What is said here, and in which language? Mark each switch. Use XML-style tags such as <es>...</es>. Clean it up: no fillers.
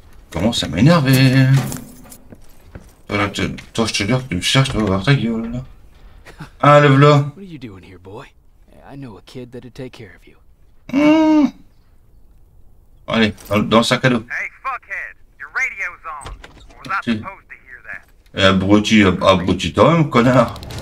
<fr>Comment ça m'énerve. Voilà, toi, je te dis que tu me cherches, tu vas voir ta gueule là. Ah, le vlog.</fr> <en>What are you doing here, boy? I know a kid that'd take care of you.</en> <fr>Allez, dans le sac à dos.</fr> <en>Hey, fuckhead, your radio's on. Was I supposed to hear that?</en> <fr>Eh, abruti, abruti toi même, connard.</fr>